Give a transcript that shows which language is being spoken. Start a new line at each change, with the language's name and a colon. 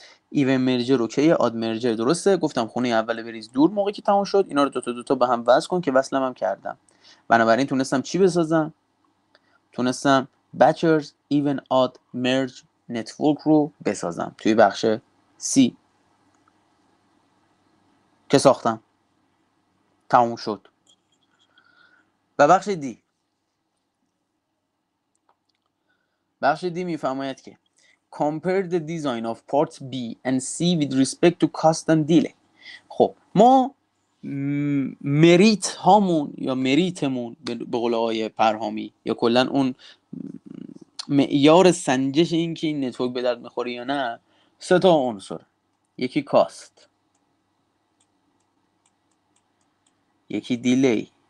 Persian: ایون مرجر اوکی، آد مرجر درسته، گفتم خونه اول بریز دور موقعی که تموم شد، اینا رو دو تا دو تا به هم وصل کن، که وصلم هم کردم. بنابراین تونستم چی بسازم؟ تونستم بچرز ایون آد مرج نتورک رو بسازم توی بخش سی که ساختم، تموم شد. و بخش دی، بخش دی میفهمید که
English: compare the design of parts B and C with respect to cost and delay.
Persian: خب ما مریت هامون یا مریتمون به قول آقای پرهامی، یا کلن اون معیار سنجش این که این نتورک به درد میخوری یا نه، سه تا عنصر، یکی cost، یکی delay،